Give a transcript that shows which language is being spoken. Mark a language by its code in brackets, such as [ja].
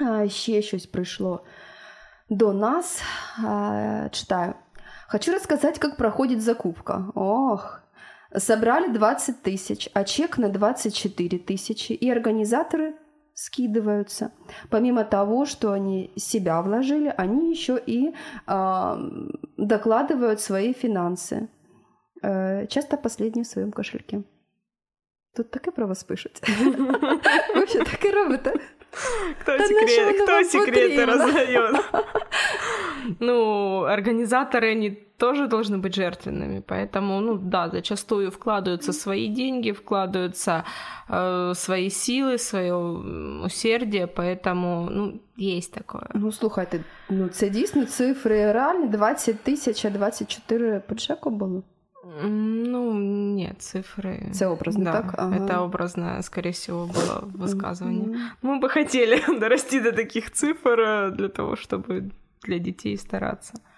[uk] Ще щось прийшло до нас. Читаю. Хочу розказати, як проходить закупка. Ох! Собрали 20 тисяч, а чек на 24 тисячі, і організатори скидываются. [ru] Помимо того, что они себя вложили, они еще и докладывают свои финансы. Часто последние в своем кошельке. Тут так и про вас пишут. Вы все так и робите. Кто секреты раздает? Ну, организаторы, они тоже должны быть жертвенными, поэтому, ну да, зачастую вкладываются свои деньги, вкладываются свои силы, свое усердие, поэтому, ну, есть такое. [uk] Ну, слухайте, ну, це дійсно цифри реальні, 20 тисяч, а 24 по чеку було? [ru] Ну, нет, цифры. [uk] Це образно, [ru] да, [uk] так? Ага. [ru] Это образно, скорее всего, было высказывание. Мы бы хотели дорасти до таких цифр для того, чтобы для детей стараться.